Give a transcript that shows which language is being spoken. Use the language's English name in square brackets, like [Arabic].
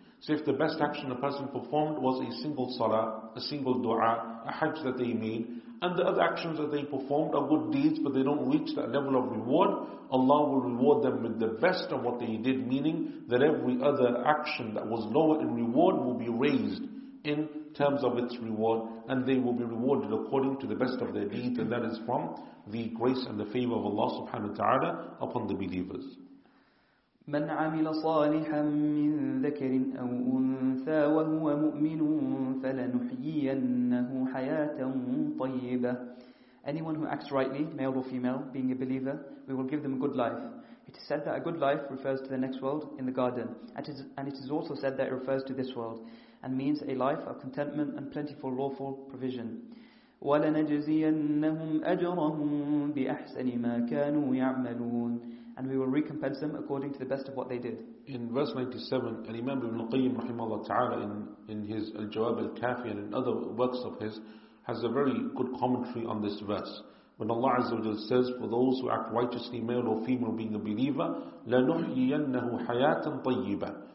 [English] So if the best action a person performed was a single salah, a single dua, a hajj that they made, and the other actions that they performed are good deeds, but they don't reach that level of reward, Allah will reward them with the best of what they did, meaning that every other action that was lower in reward will be raised in terms of its reward, and they will be rewarded according to the best of their deeds, and that is from the grace and the favor of Allah subhanahu wa ta'ala upon the believers. [Arabic] من عمل صالحا من ذكر أو أنثى وهو مؤمن فلنحيينه حياة طيبة. [English] Anyone who acts rightly, male or female, being a believer, we will give them a good life. It is said that a good life refers to the next world in the garden, and it is also said that it refers to this world, and means a life of contentment and plentiful lawful provision. [Arabic] ولنجزينهم أجرهم بأحسن ما كانوا يعملون. [English] And we will recompense them according to the best of what they did. In verse 97, Imam Ibn Qayyim rahimahullah ta'ala in his Al-Jawab Al-Kafi and in other works of his has a very good commentary on this verse. When Allah Azza wa Jal says, for those who act righteously, male or female, being a believer, [Arabic] لَنُحْيِيَنَّهُ حَيَاةً طَيِّبًا.